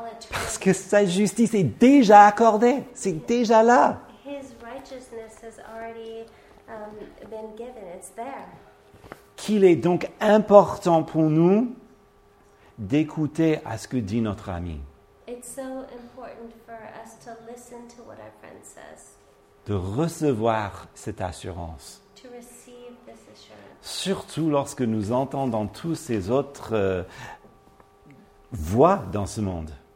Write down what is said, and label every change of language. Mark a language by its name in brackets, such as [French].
[French] Parce que sa justice est déjà accordée, c'est déjà là. [English] His righteousness has already, been given. It's there. [French] Qu'il est donc important pour nous d'écouter à ce que dit notre ami. [English] It's so important for us to listen to what our friend says. [French] De recevoir cette assurance. [English] To receive this assurance. [French] Surtout lorsque nous entendons tous ces autres voix dans ce monde.